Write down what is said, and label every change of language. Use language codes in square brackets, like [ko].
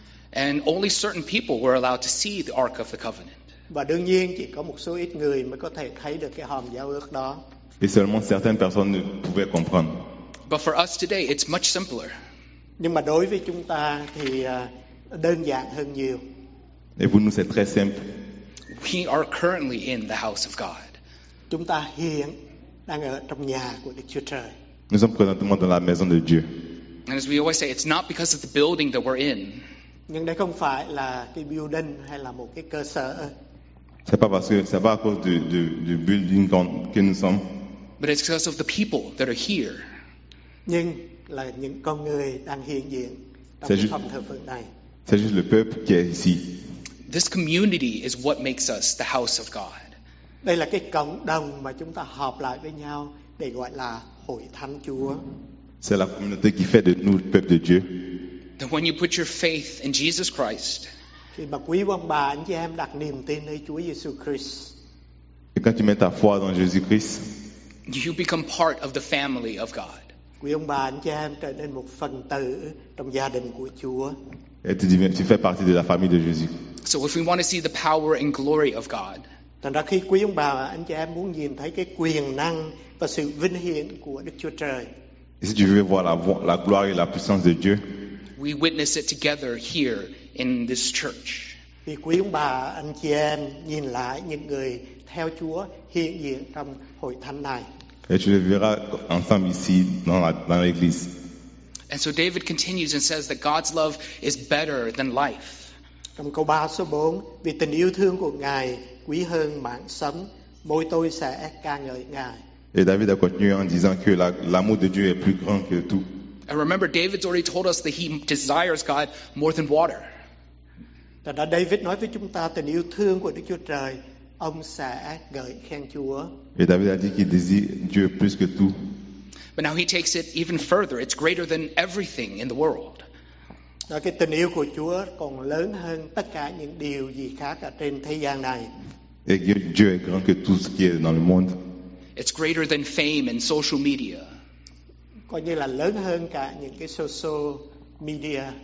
[en] And only certain people were allowed to see the Ark of the Covenant. [vi] Và đương nhiên chỉ có một số ít người mới có thể thấy được cái hòm giao ước đó. [fr] Et seulement certaines personnes ne pouvaient comprendre. [en] But for us today, it's much simpler. [vi] Nhưng mà đối với chúng ta thì đơn giản hơn nhiều. [fr] Et pour nous, c'est très simple. [en] We are currently in the house of God. [vi] Chúng ta hiện đang ở trong nhà của Đức Chúa Trời. [fr] Nous sommes présentement dans la maison de Dieu. [en] And as we always say, it's not because of the building that we're in. [vi] Nhưng đây không phải là cái building hay là một cái cơ sở. [fr] C'est pas parce que c'est pas à cause du building que nous sommes. [en] But it's because of the people that are here. [vi] Nhưng là những con người đang hiện diện trong phòng thờ phượng này. [fr] C'est juste le peuple qui est ici. [en] This community is what makes us the house of God. [vi] Đây là cái cộng đồng mà chúng ta họp lại với nhau để gọi là hội thánh Chúa. [fr] C'est la communauté qui fait de nous le peuple de Dieu. [en] That when you put your faith in Jesus Christ, [vi] khi mà quý ông bà anh chị em đặt niềm tin nơi Chúa Giêsu Christ, [fr] et quand tu mets ta foi dans Jésus Christ, [en] you become part of the family of God. [vi] Quý ông bà anh chị em trở nên một phần tử trong gia đình của Chúa. [fr] Et tu fais partie de la famille de Jésus. [en] So if we want to see the power and glory of God, [vi] thành ra khi quý ông bà anh chị em muốn nhìn thấy cái quyền năng và sự vinh hiển của Đức Chúa Trời, [fr] et si tu veux voir la gloire et la puissance de Dieu, [en] we witness it together here in this church. [vi] Thì quý ông bà anh chị em nhìn lại những người theo Chúa hiện diện trong hội thánh này. [fr] Et tu le verras ensemble ici dans l'église. [en] And so David continues and says that God's love is better than life. [vi] Trong câu 3 số 4, vì tình yêu thương của Ngài quý hơn mạng sống, môi tôi sẽ ca ngợi Ngài. [fr] Et David a continué en disant que l'amour de Dieu est plus grand que tout. [en] And remember, David's already told us that he desires God more than water. [vi] Thật ra David nói với chúng ta tình yêu thương của Đức Chúa Trời, ông sẽ gợi khen Chúa. [fr] Et David a dit qu'il désire Dieu plus que tout. [en] But now he takes it even further. It's greater than everything in the world. [vi] Đó, cái tình yêu của Chúa còn lớn hơn tất cả những điều gì khác ở trên thế gian này. [fr] Et Dieu est grand que tout ce qui est dans le monde. [en] It's greater than fame and social media. [vi] Coi như là lớn hơn cả những cái social media.